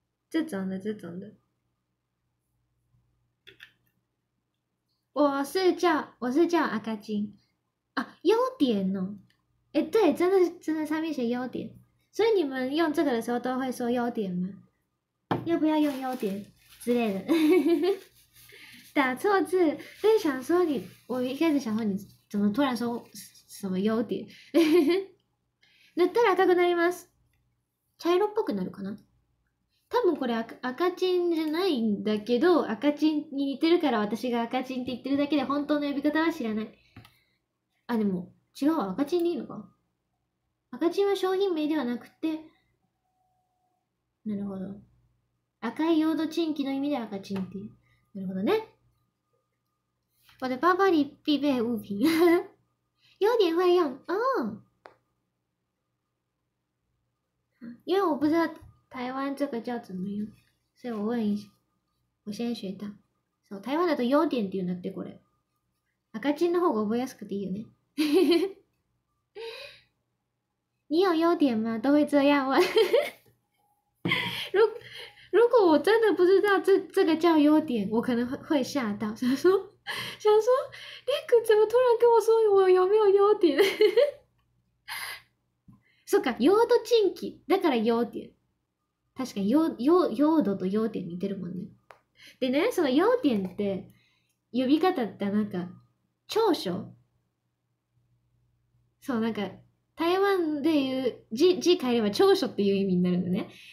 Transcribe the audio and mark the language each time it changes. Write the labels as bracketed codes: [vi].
[zh] 这种的，我是叫阿嘎金啊，优点哦，哎，对，真的真的上面写优点，所以你们用这个的时候都会说优点吗？要不要用优点之类的？打错字，就是想说你，我一开始想说你怎么突然说什么优点？ [ja] 塗ったら赤くなります。茶色っぽくなるかな。多分これ赤チンじゃないんだけど、赤チンに似てるから私が赤チンって言ってるだけで本当の呼び方は知らない。あ、でも違うわ、赤チンでいいのか。赤チンは商品名ではなくて、なるほど。赤いヨードチンキの意味で赤チンっていう。なるほどね。 [zh] 我的包包里必备物品。优点会用。哦。因为我不知道台湾这个叫怎么用？所以我问一下，我现在学到，什 [ja] そう、台湾だと要点っていうんだって、これ。赤チンの方が覚えやすくていいよね。 [zh] 你有优点吗？都会这样问。如果我真的不知道这个叫优点，我可能会吓到，想说，那个怎么突然跟我说我有没有优点？ [ja] そっか、用途近畿だから要点。確かに用途と要点似てるもんね。でね、その要点って呼び方ってなんか長所？そう、なんか台湾で言う字変えれば長所っていう意味になるのね。